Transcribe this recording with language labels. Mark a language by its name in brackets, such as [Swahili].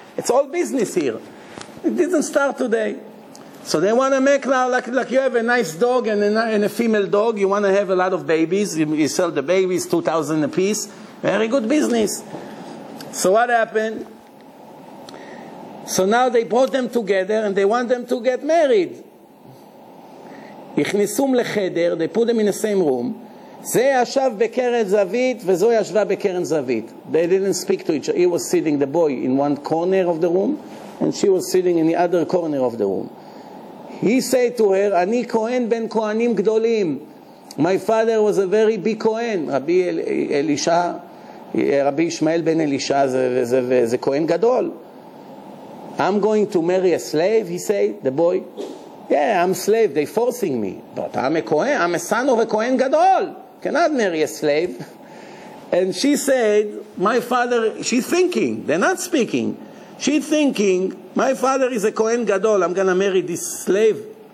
[English] It's all business here. It didn't start today. So they want to make now, like you have a nice dog and a female dog. You want to have a lot of babies. You sell the babies, 2,000 a piece. Very good business. So what happened? So now they brought them together and they want them to get married. [Hebrew] הכניסום לחדר, [English] they put them in the same room. [Hebrew] זה ישב בקרן זווית, וזו ישבה בקרן זווית. [English] They didn't speak to each other. He was sitting, the boy, in one corner of the room, and she was sitting in the other corner of the room. He said to her, [Hebrew] אני כהן בן כהנים גדולים. [English] My father was a very big כהן. [Hebrew] רבי אלישה, רבי ישמעאל בן אלישה, זה כהן גדול. [English] I'm going to marry a slave, he said, the boy. Yeah, I'm a slave. They're forcing me. But I'm a Kohen. I'm a son of a Kohen Gadol. Cannot marry a slave. And she said, my father, she's thinking. They're not speaking. She's thinking, my father is a Kohen Gadol. I'm going to marry this slave.